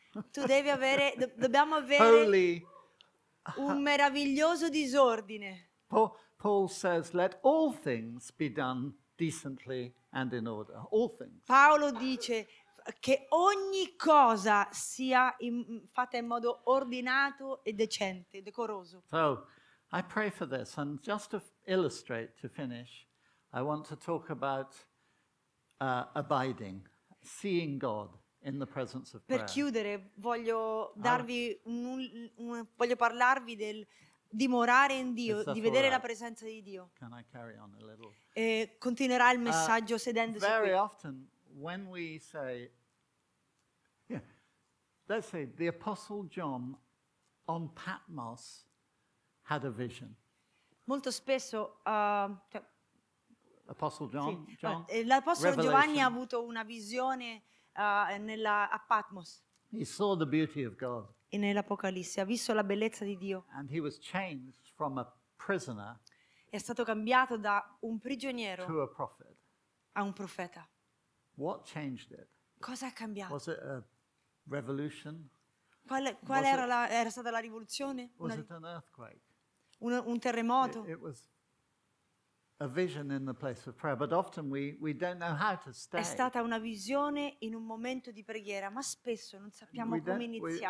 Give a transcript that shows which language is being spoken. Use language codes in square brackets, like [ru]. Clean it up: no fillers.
[it] Tu devi avere, dobbiamo avere... [en] Holy. [it] Un meraviglioso disordine. [en] Paul says, "Let all things be done decently and in order." All things. [it] Paolo dice che ogni cosa sia fatta in modo ordinato e decente, decoroso. [en] So, I pray for this, and just to illustrate to finish, I want to talk about abiding, seeing God. In the presence of prayer. [it] Per chiudere, voglio darvi voglio parlarvi del dimorare in Dio, di vedere la presenza di Dio. [en] Can I carry on a little? [it] E continuerà il messaggio sedendosi [en] very [it] qui. [en] Often when we say let's say the apostle John on Patmos had a vision. [it] Molto spesso [en] apostle John, [it] sì. [en] John [it] l'apostolo Revelation. Giovanni ha avuto una visione a Patmos. [en] He saw the beauty of God. [it] E nell'Apocalisse ha visto la bellezza di Dio. [en] And he was changed from a prisoner. [it] È stato cambiato da un prigioniero. [en] To a prophet. [it] A un profeta. [en] What changed it? [it] Cosa ha cambiato? [en] Was it a revolution? [it] Qual era era stata la rivoluzione? [en] Was it an earthquake? [it] Un terremoto? [en] It was a vision in the place of prayer, but often we don't know how to stay. [it] È stata una visione in un momento di preghiera, ma spesso non sappiamo come iniziare.